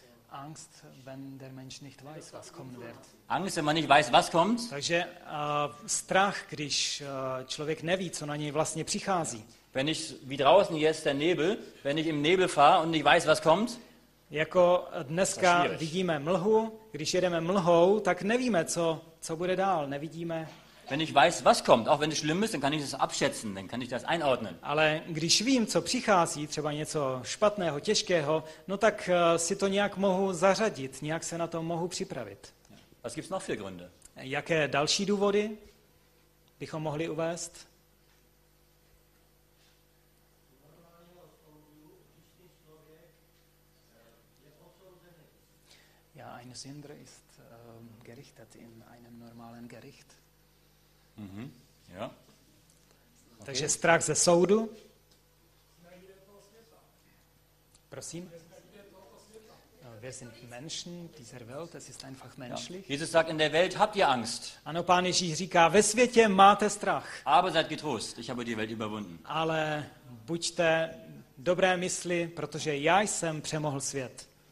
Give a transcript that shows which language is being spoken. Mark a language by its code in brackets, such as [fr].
[de] Angst, wenn der Mensch nicht weiß, was kommen wird. Angst, wenn man nicht weiß, was kommt? [cs] Takže strach, když člověk neví, co na něj vlastně přichází. [de] Wenn ich wie draußen jetzt der Nebel, wenn ich im Nebel fahre und nicht weiß, was kommt. [cs] Jako dneska vidíme mlhu, když jedeme mlhou, tak nevíme, co bude dál, nevidíme. [de] Wenn ich weiß, was kommt, auch wenn es schlimm ist, dann kann ich das abschätzen, dann kann ich das einordnen. [cs] Ale když vím, co přichází, třeba něco špatného, těžkého, no tak si to nějak mohu zařadit, nějak se na to mohu připravit. [de] Was gibt's noch für Gründe? [cs] Jaké další důvody bychom mohli uvést? [de] Ja, ein Sünder ist gerichtet in einem normalen Gericht. Mhm. Ja. [cs] Okay. Takže strach ze soudu. Prosím. [de] Wir sind Menschen dieser Welt, es ist einfach menschlich. Ja. Jesus sagt, in der Welt habt ihr Angst. [cs] Ano, Pán Ježíš říká, ve světě máte strach. [de] Aber seid getrost, ich habe die Welt überwunden. [cs] Ale buďte dobré mysli, protože já jsem přemohl svět.